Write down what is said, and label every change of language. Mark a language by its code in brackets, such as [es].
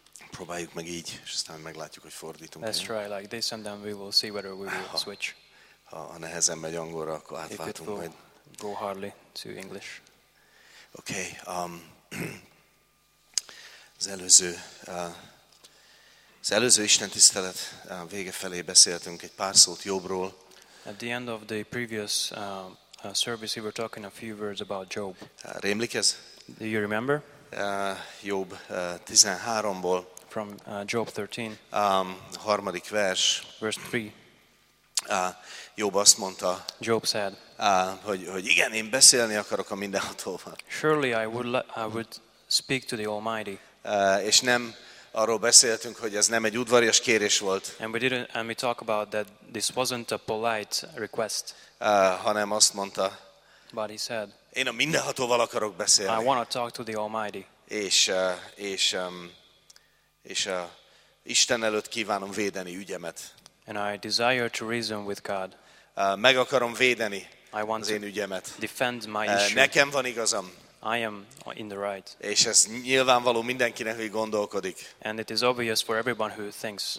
[hu] Próbáljuk meg így, és aztán meglátjuk, hogy fordítunk. [en] Let's try like this and then we will see whether we will switch. [hu] Ha nehezen megy angolra, akkor átváltunk majd. [en] Go hardly to English. [hu] Okay, az előző istentisztelet vége felé beszéltünk egy pár szót Jobról. [en] At the end of the previous service, we were talking a few words about Job. [hu] Rémlik ez? [en] Do you remember? [hu] Job 13-ból. [en] From Job 13. [hu] Harmadik vers. [en] Verse 3. [hu] Job azt mondta. [en] Job said. [hu] Hogy igen, én beszélni akarok a Mindenhatóval. [en] Surely I would speak to the Almighty. [hu] És nem arról beszéltünk, hogy ez nem egy udvarias kérés volt. [en] And we talk about that this wasn't a polite request. [hu] Hanem azt mondta. [en] But he said. [hu] Én a Mindenhatóval akarok beszélni. [en] I want to talk to the Almighty. [hu] És Isten előtt kívánom védeni ügyemet. [en] And I desire to reason with God. [hu] Meg akarom védeni [en] I want [hu] az én ügyemet. [en] Defend my issue. [hu] Nekem van igazam. [en] I am in the right. [hu] És ez nyilvánvaló mindenkinek, hogy gondolkodik. [en] And it is obvious for everyone who thinks.